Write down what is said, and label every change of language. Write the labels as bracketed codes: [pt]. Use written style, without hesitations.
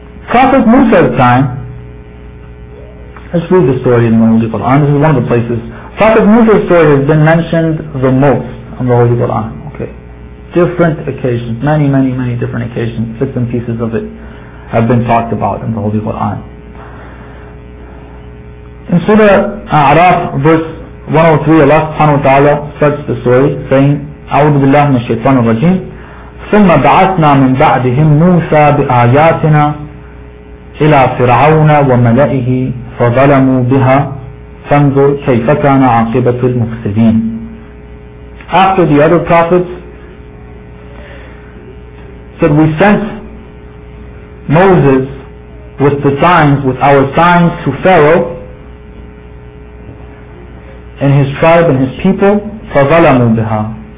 [en] Prophet Musa's time, let's read the story in the Holy Quran. This is one of the places. Prophet Musa's story has been mentioned the most in the Holy Quran. Different occasions, many, many, many different occasions, bits and pieces of it have been talked about in the Holy Quran. In Surah A'raf, verse 103, Allah subhanahu wa ta'ala starts the story saying, [ar] أَعُوذُ بِاللَّهِ مِنَ الشَّيْطَانِ الرَّجِيمِ ثُمَّ بَعَثْنَا مِنْ بَعْدِهِمْ مُوسَى بِآيَاتِنَا إِلَى فِرْعَوْنَ وَمَلَئِهِ فَظَلَمُوا بِهَا فَانْظُرْ كَيْفَ كَانَ عَاقِبَةُ الْمُفْسِدِينَ. [en] After the other prophets, said, we sent Moses with the signs, with our signs to Pharaoh and his tribe and his people. [ar] فَظَلَمُوا بِهَا.